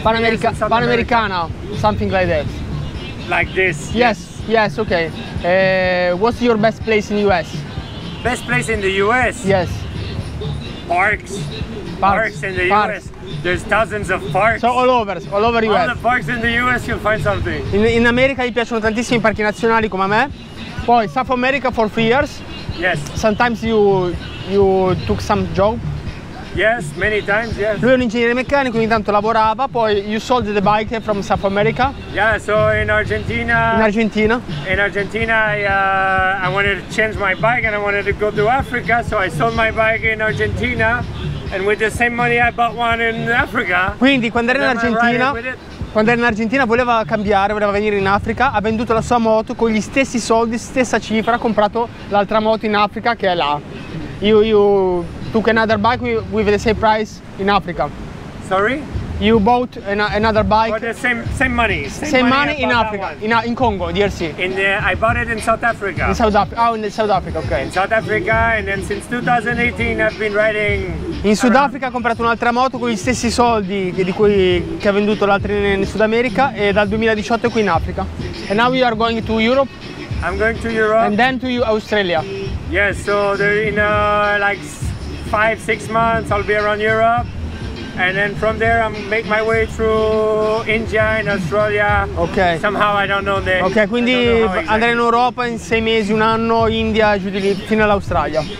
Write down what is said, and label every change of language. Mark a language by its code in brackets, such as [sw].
[en] Panamericana, something like that. Like this. Yes. Yes, okay. What's your best place in the US? Best place in the US? Yes. Parks. Parks in the US. There's thousands of parks. So all over the US. All the parks in the US, you'll find something. [it] In America gli piacciono tantissimi i parchi nazionali come a me. [en] Poi South America for 3 years. Yes. Sometimes you took some job. Yes, many times, yes. [it] Lui è un ingegnere meccanico, ogni tanto lavorava, poi [en] you sold the bike from South America. Yeah, so in Argentina. In Argentina. In Argentina I wanted to change my bike and I wanted to go to Africa, so I sold my bike in Argentina and with the same money I bought one in Africa. [it] Quindi quando era in Argentina, voleva cambiare, voleva venire in Africa, ha venduto la sua moto con gli stessi soldi, stessa cifra, ha comprato l'altra moto in Africa che è là. [en] You took another bike with the same price in Africa. Sorry? You bought another bike. For the same money. Same money in Africa, in Congo, DRC. I bought it in South Africa. In South Africa, okay. In South Africa, and then since 2018 I've been riding. [it] In Sud Africa ha comprato un'altra moto con gli stessi soldi che ha venduto l'altra in Sud America, e dal 2018 è qui in Africa. [en] And now you are going to Europe. I'm going to Europe. And then to Australia. Yes, so they're in like 5-6 months I'll be around Europe. And then from there I'm make my way through India and Australia. Okay. Somehow I don't know the. Okay, quindi exactly. [it] Andare in Europa in 6 mesi, un anno, India, giù di lì, fino all'Australia.